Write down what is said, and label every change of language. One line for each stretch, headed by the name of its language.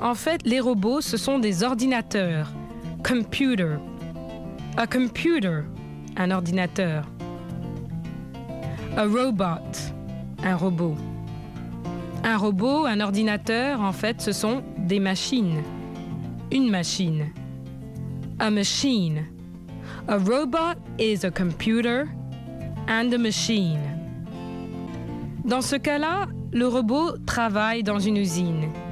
French: En fait, les robots, ce sont des ordinateurs. Computer.
English: A computer,
French: un ordinateur.
English: A robot,
French: un robot. Un robot, un ordinateur, en fait, ce sont des machines. Une machine.
English: A machine. A robot is a computer and a machine.
French: Dans ce cas-là, le robot travaille dans une usine.